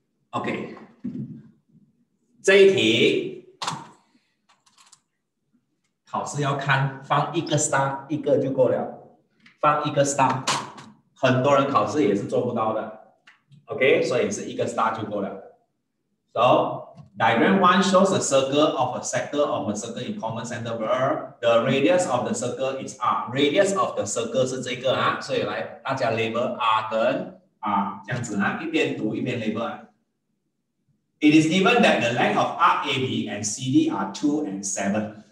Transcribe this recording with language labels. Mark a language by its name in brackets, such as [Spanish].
[Chinese] OK， 这一题考试要看放一个 star， 一个就够了，放一个 star， 很多人考试也是做不到的。 OK， 所以是一个 star 就够了。 [English] So diagram one shows a circle of a sector of a circle in common center where the radius of the circle is r. Radius of the circle [Chinese] 是这个啊，所以来大家 label r 跟 r 这样子啊，一边读一边 label 啊。 [English] It is given that the length of arc AB and CD are 2 and 7.